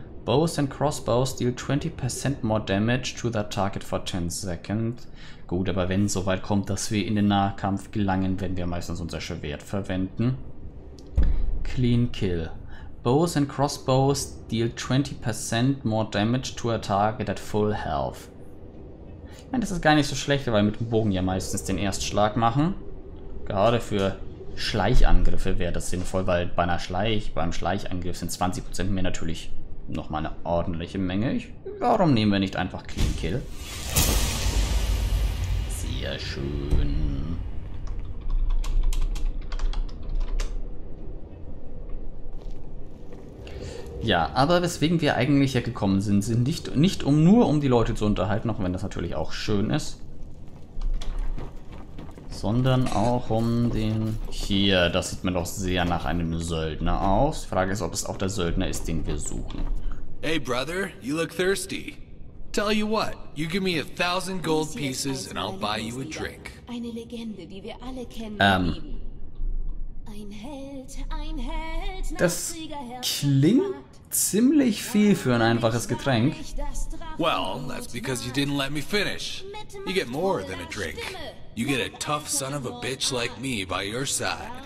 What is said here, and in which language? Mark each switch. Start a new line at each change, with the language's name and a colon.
English: Bows and crossbows deal 20% more damage to that target for 10 seconds.
German: Gut, aber wenn es so weit kommt, dass wir in den Nahkampf gelangen, werden wir meistens unser Schwert verwenden.
English: Clean Kill. Bows and crossbows deal 20% more damage to a target at full health.
German: Ich meine, das ist gar nicht so schlecht, weil wir mit dem Bogen ja meistens den Erstschlag machen. Gerade für Schleichangriffe wäre das sinnvoll, weil bei einer beim Schleichangriff sind 20% mehr natürlich nochmal eine ordentliche Menge. Warum nehmen wir nicht einfach Clean Kill? Sehr schön. Ja, aber weswegen wir eigentlich hier gekommen sind, sind nicht um nur um die Leute zu unterhalten, auch wenn das natürlich auch schön ist, sondern auch um den... Hier, das sieht mir doch sehr nach einem Söldner aus. Die Frage ist, ob es auch der Söldner ist, den wir suchen.
English: Hey, Brother, you look thirsty. Tell you what, you give me 1000 gold pieces and I'll buy you a drink.
German: Eine Legende, die wir alle kennen. Ein Held, das klingt ziemlich viel für ein einfaches Getränk.
English: Well, that's because you didn't let me finish. You get more than a drink. You get a tough son of a bitch like me by your side.